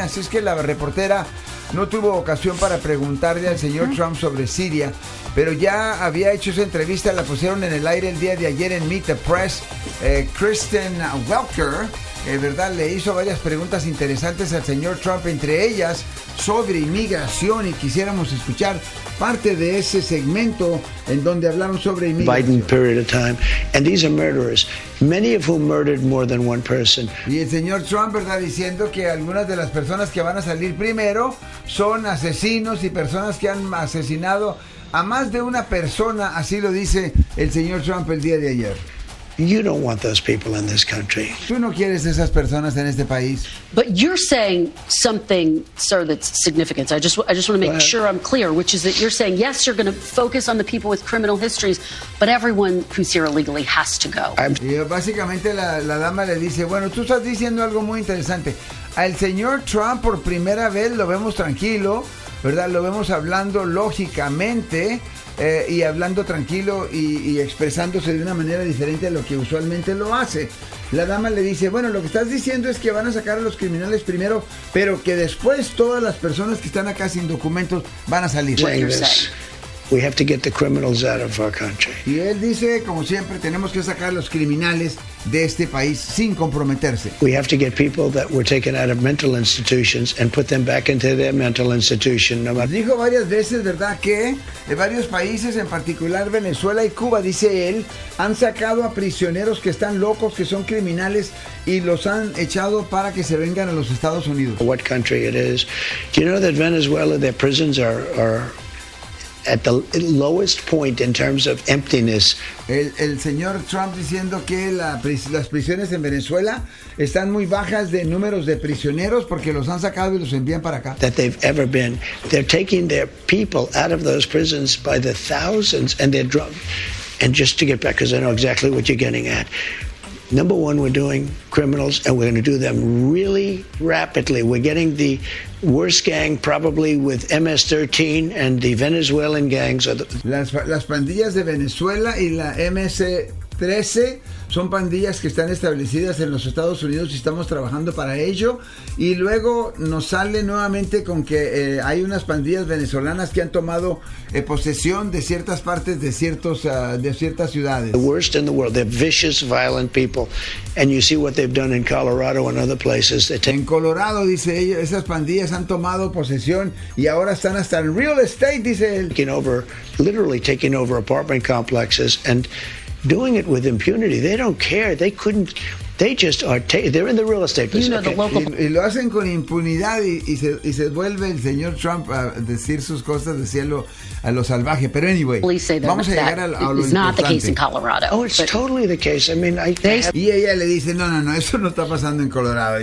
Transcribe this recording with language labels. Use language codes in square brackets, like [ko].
[es] Así es que la reportera no tuvo ocasión para preguntarle al señor Trump sobre Siria, pero ya había hecho esa entrevista, la pusieron en el aire el día de ayer en Meet the Press. Kristen Welker, ¿verdad?, le hizo varias preguntas interesantes al señor Trump, entre ellas sobre inmigración, y quisiéramos escuchar parte de ese segmento en donde hablaron sobre inmigración. [en] Biden period of time, and these are murderers, many of whom murdered more than one person. [es] Y el señor Trump, ¿verdad?, diciendo que algunas de las personas que van a salir primero son asesinos y personas que han asesinado a más de una persona, así lo dice el señor Trump el día de ayer. [en] You don't want those people in this country. [es] Tú no quieres esas personas en este país. [en] But you're saying something, sir, that's significant. I just want to make sure I'm clear, which is that you're saying, yes, you're going to focus on the people with criminal histories, but everyone who's here illegally has to go. [es] Básicamente la dama le dice, bueno, tú estás diciendo algo muy interesante. Al señor Trump por primera vez lo vemos tranquilo, ¿verdad? Lo vemos hablando lógicamente. Y hablando tranquilo y expresándose de una manera diferente a lo que usualmente lo hace. La dama le dice, bueno, lo que estás diciendo es que van a sacar a los criminales primero, pero que después todas las personas que están acá sin documentos van a salir. [en] We have to get the criminals out of our country. [es] Y él dice, como siempre, tenemos que sacar a los criminales de este país sin comprometerse. [en] We have to get people that were taken out of mental institutions and put them back into their mental institution. [es] Dijo varias veces, ¿verdad?, que de varios países, en particular Venezuela y Cuba, dice él, han sacado a prisioneros que están locos, que son criminales, y los han echado para que se vengan a los Estados Unidos. [en] What country it is? Do you know that Venezuela, their prisons are at the lowest point in terms of emptiness. [es] El señor Trump diciendo que las prisiones en Venezuela están muy bajas de números de prisioneros porque los han sacado y los envían para acá. [en] That they've ever been. They're taking their people out of those prisons by the thousands and they're drunk. And just to get back, because I know exactly what you're getting at. Number one, we're doing criminals and we're going to do them really rapidly. We're getting the worst gang probably with MS-13 and the Venezuelan gangs. [es] Las pandillas de Venezuela y la MS-13 son pandillas que están establecidas en los Estados Unidos y estamos trabajando para ello. Y luego nos sale nuevamente con que hay unas pandillas venezolanas que han tomado posesión de ciertas partes de ciertas ciudades. [en] The worst in the world. They're vicious, violent people. And you see what they've done in Colorado and other places. [es] En Colorado, dice ella, esas pandillas han tomado posesión y ahora están hasta en real estate, dice él. [en] Taking over, literally taking over apartment complexes and doing it with impunity. They don't care. They couldn't. They just are. They're in the real estate business. You know, the local. [es] Y lo hacen con impunidad y se vuelve el señor Trump a decir sus cosas, decirlo a lo salvaje. Pero anyway, vamos a llegar a lo importante. [en] It's not the case in Colorado. Oh, it's totally the case. I mean, [es] y ella le dice, no, eso no está pasando en Colorado.